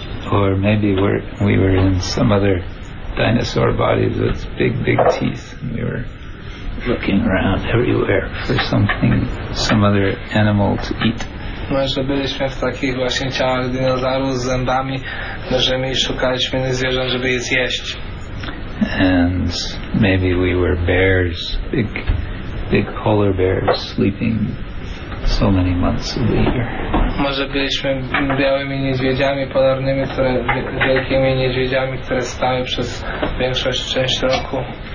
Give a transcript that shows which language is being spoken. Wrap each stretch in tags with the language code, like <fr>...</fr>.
<en>Or maybe we were in some other dinosaur bodies with big teeth, and we were looking around everywhere for something, some other animal to eat.</en> <pl>Może byliśmy w takich właśnie ciałach dinozaurów z zębami, nożymi, i szukaliśmy innych zwierząt, żeby je zjeść.</pl> <en>And maybe we were bears, big polar bears sleeping so many months of the year.</en> <pl>Może byliśmy białymi niedźwiedziami polarnymi, wielkimi niedźwiedziami, które spały przez większość część roku.</pl>